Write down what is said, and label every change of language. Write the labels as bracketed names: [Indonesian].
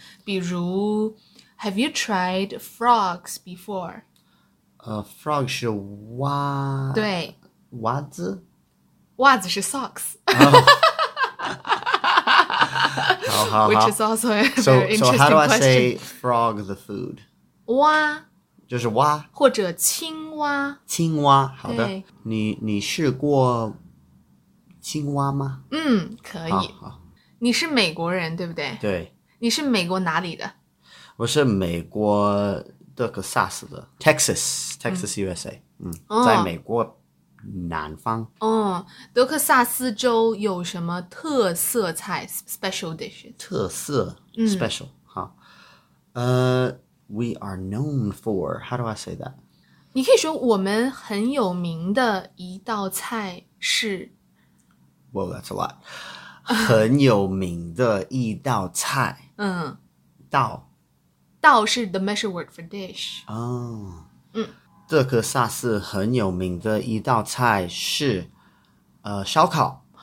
[Chinese] 比如 [English] ,have you tried frogs before? [Chinese] Frog 是袜对袜子袜子是 socks、好好好 [English] which is also a very interesting question. So how do I say frog the food? [Chinese] 蛙就是蛙或者青蛙青蛙好的你试过青蛙吗可以好你是美国人对不对对你是美国哪里的我是美国德克萨斯的 [English] Texas USA [Chinese] 在美国南方德克萨斯州有什么特色菜 [English] special dish 特色special 好we are known for how do I say that [Chinese] 你可以说我们很有名的一道菜是 [English] well that's a lot [Chinese] 很有名的一道菜道 [English] 道是 the measure word for dish. [Chinese] 德克萨斯很有名的一道菜是烧烤。